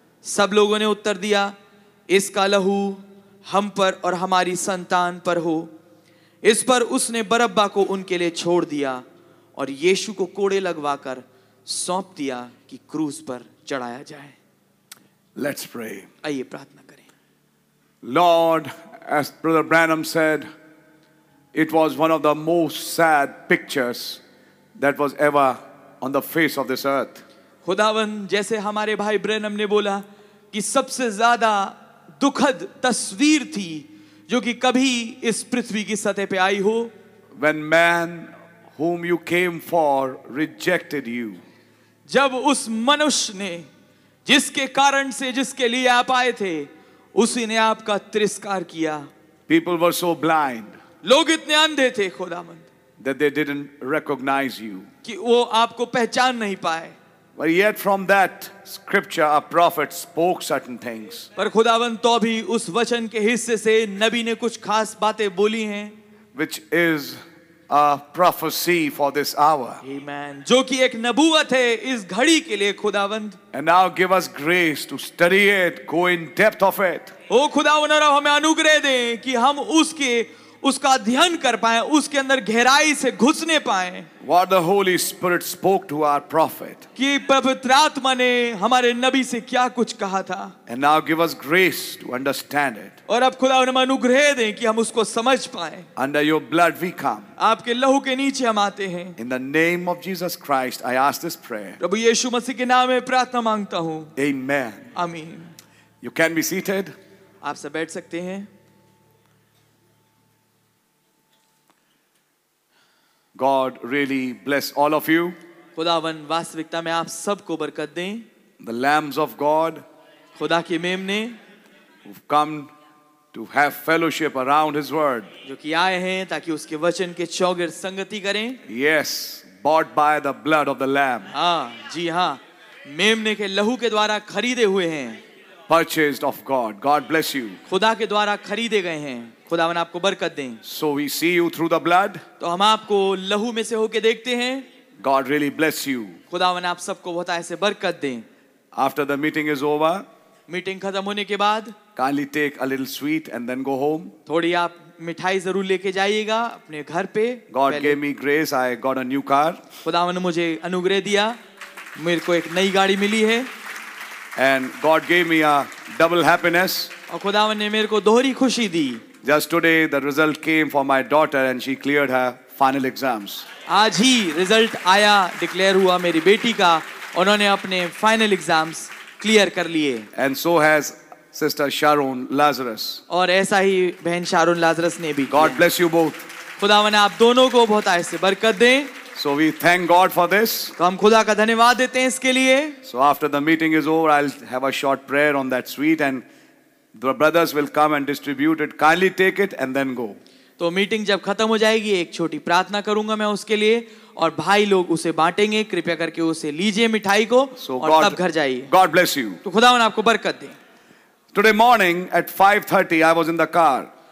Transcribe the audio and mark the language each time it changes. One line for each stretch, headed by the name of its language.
Hindi: सब लोगों ने उत्तर दिया इसका लहू हम पर और हमारी संतान पर हो. इस पर उसने बरब्बा को उनके लिए छोड़ दिया और यीशु को कोड़े लगवाकर सौंप दिया कि क्रूस पर चढ़ाया जाए.
English: Let's pray.
Hindi: आइए प्रार्थना करें.
English: Lord as brother Branham said It was one of the most sad pictures that was ever on the face of this earth.
Hindi: खुदावन जैसे हमारे भाई ब्रैनम ने बोला कि सबसे ज्यादा दुखद तस्वीर थी जो कि कभी इस पृथ्वी की सतह पे आई हो.
English: When man whom you came for rejected you.
Hindi: जब उस मनुष्य ने जिसके कारण से जिसके लिए आप आए थे उसी ने आपका तिरस्कार किया.
English: People were so blind.
Hindi: लोग इतने अंधे थे खुदावंद
English: that they didn't recognize you
Hindi: कि वो आपको पहचान नहीं पाए.
English: But yet from that scripture, a prophet spoke certain things.
Hindi: पर खुदावन तो भी उस वचन के हिस्से से नबी ने कुछ खास बातें बोली हैं.
English: Which is a prophecy for this hour. Amen.
Hindi: जो कि एक नबुवत है इस घड़ी के लिए खुदावंद.
English: And now give us grace to study it, go in depth of it.
Hindi: ओ खुदावन अब हमें अनुग्रह दें कि हम उसके उसका अध्ययन कर पाएं, उसके अंदर गहराई से घुसने पाएं.
English: What the Holy Spirit spoke to our prophet.
Hindi: कि पवित्र आत्मा ने हमारे नबी से क्या कुछ कहा था.
English: And now give us grace to understand it.
Hindi: और अब खुदा हमें अनुग्रह दें कि हम उसको समझ पाएं.
English: Under your blood we come.
Hindi: आपके लहू के नीचे हम आते हैं.
English: In the name of Jesus Christ, I ask this prayer.
Hindi: प्रभु यीशु मसीह के नाम में प्रार्थना मांगता हूँ.
English: Amen.
Hindi: आमीन.
English: You can be seated.
Hindi: आप सब बैठ सकते हैं.
English: God really bless all of you.
Hindi: खुदावन वास्तविकता में आप सबको बरकत दें.
English: The lambs of God.
Hindi: खुदा के मेमने.
English: Who've come to have fellowship around His word.
Hindi: जो कि आए हैं ताकि उसके वचन के चौगिर्द संगति करें.
English: Yes, bought by the blood of the lamb.
Hindi: हाँ, जी हाँ, मेमने के लहू के द्वारा खरीदे हुए हैं.
English: Purchased of God. God bless you.
Hindi: खुदा के द्वारा खरीदे गए हैं. खुदावन आपको बरकत दें.
English: So we see you through the blood.
Hindi: तो हम आपको लहू में से होके देखते हैं.
English: God really bless you.
Hindi: खुदावन आप सबको बहुत ऐसे बरकत दें.
English: After the meeting is over.
Hindi: Meeting खत्म होने के बाद.
English: Kindly take a little sweet and then go home.
Hindi: थोड़ी आप मिठाई जरूर लेके जाइएगा अपने घर पे.
English: God gave me grace. I got a new car.
Hindi: खुदावन मुझे अनुग्रह दिया. मेरे को एक नई गाड़ी मिली है.
English: And God gave me a double happiness.
Hindi: और खुदावन ने मेरे को दोहरी खुशी दी.
English: Just today, the result came for my daughter, and she cleared her final exams.
Hindi: आज ही result आया, declare हुआ मेरी बेटी का, उन्होंने अपने final exams clear कर लिए.
English: And so has sister Sharon Lazarus.
Hindi: और ऐसा ही बहन Sharon Lazarus ने भी.
English: God bless you both.
Hindi: खुदावन आप दोनों को बहुत ऐसे बरकत दें.
English: So we thank God for this.
Hindi: तो हम खुदा का धन्यवाद देते हैं इसके लिए.
English: So after the meeting is over, I'll have a short prayer on that sweet and. The brothers will come and distribute it. Kindly take it and then go.
Hindi: तो मीटिंग जब खत्म हो जाएगी एक छोटी प्रार्थना करूंगा मैं उसके लिए और भाई लोग उसे बांटेंगे. कृपया करके उसे लीजिए मिठाई को और तब घर जाइए.
English: God bless you.
Hindi: तो खुदावन आपको बरकत दे.
English: Today morning at 5:30 I was in the car.